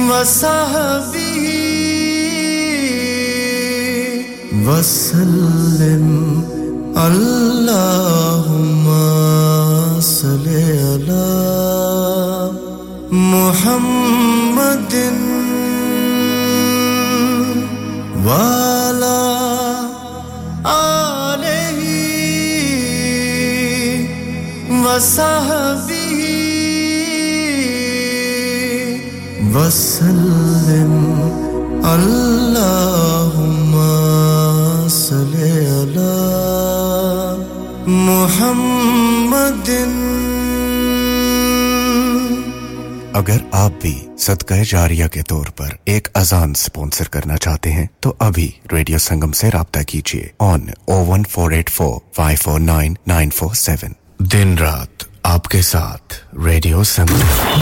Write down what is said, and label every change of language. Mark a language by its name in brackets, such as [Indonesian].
[Arabic] sahbihi wasallim allahumma salli ala muhammadin wa ala alihi وسلم اللهم صل على محمد. [Urdu] اگر آپ بھی صدقہ جاریہ کے طور پر ایک اذان سپونسر کرنا چاہتے ہیں تو ابھی ریڈیو سنگم سے رابطہ کیجئے on 01484549947. دن رات aapke saath Radio Sangam.